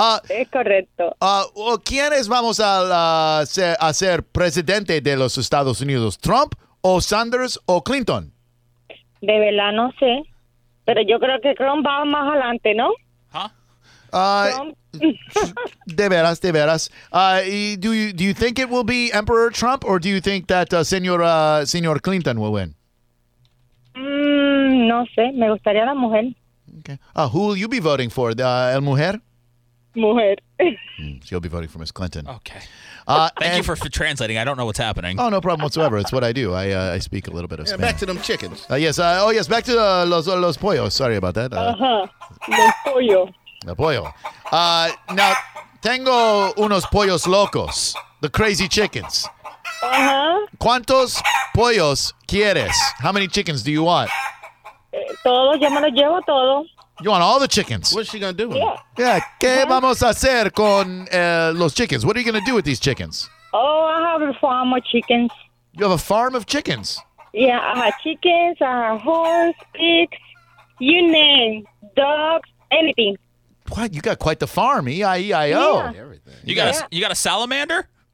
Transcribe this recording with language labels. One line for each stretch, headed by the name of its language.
Spanish: Es correcto. ¿Quiénes vamos a ser presidente de los Estados Unidos? ¿Trump o Sanders o Clinton? De verdad no sé, pero yo creo que Trump va más adelante, ¿no? De veras.
English: Do you think it will be Emperor Trump, or do you think that Señor Clinton will win?
Spanish: No sé, me gustaría la mujer.
English: Okay. Who will you be voting for,
Spanish: el mujer? Mujer.
English: She'll be voting for Miss Clinton. Okay. Thank you for translating. I don't know what's happening. Oh, no problem whatsoever. It's what I do. I speak a little bit of Spanish. Back to them chickens. Yes. Back to
Spanish: los pollos.
English: Sorry about that.
Spanish: Los pollos. Los pollos.
English: Now,
Spanish: tengo unos pollos locos.
English: The crazy chickens. Uh-huh.
Spanish: ¿Cuántos pollos quieres?
English: How many chickens do you want?
Spanish: Todo. Yo me lo llevo todo.
English: You want all the chickens. What's she going to do with them? Yeah.
Spanish: ¿Qué vamos a hacer con los
English: chickens? What are you going to do with these chickens? Oh, I have a farm of chickens. You have a farm of chickens? Yeah, I have chickens, I have horse, pigs, you name, dogs, anything. What? You got quite the farm, E-I-E-I-O. Yeah. You got a salamander?